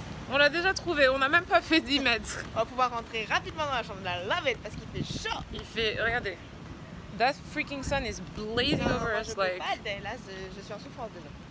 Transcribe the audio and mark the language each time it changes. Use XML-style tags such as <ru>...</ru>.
<fr>On l'a déjà trouvé, on n'a même pas fait 10 mètres. On va pouvoir rentrer rapidement dans la chambre de la lavette parce qu'il fait chaud. Il fait, regardez.</fr> <en>That freaking sun is blazing over us like.</en> <fr>Peux pas, là, je suis en souffrance déjà.</fr>